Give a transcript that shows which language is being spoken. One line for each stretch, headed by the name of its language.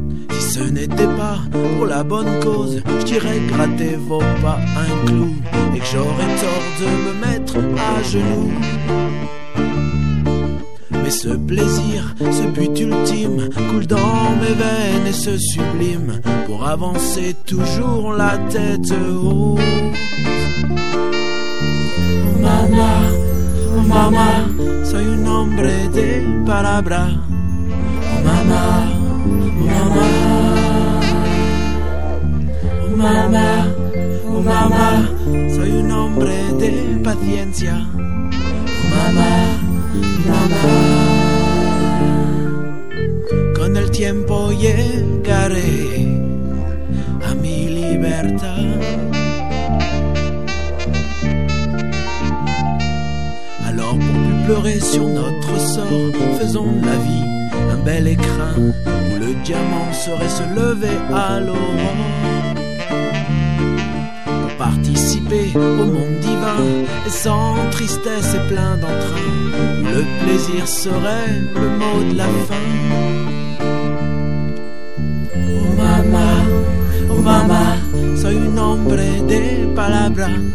French: Si ce n'était pas pour la bonne cause, je dirais que gratter vaut pas un clou, et que j'aurais tort de me mettre à genoux. Mais ce plaisir, ce but ultime, coule dans mes veines et se sublime, pour avancer toujours la tête haute.
Spanish: Mama, oh mama, soy un hombre de palabra. Mama, oh mama. Mama, oh mama, soy un hombre de paciencia. Mama, mama. Con el tiempo llegaré a mi libertad.
French: Alors pour plus pleurer sur notre sort, faisons la vie un bel écrin où le diamant saurait se lever à l'aurore. Participer au monde divin, et sans tristesse et plein d'entrain, le plaisir serait le mot de la fin.
Spanish: Oh mama, soy un hombre de palabra.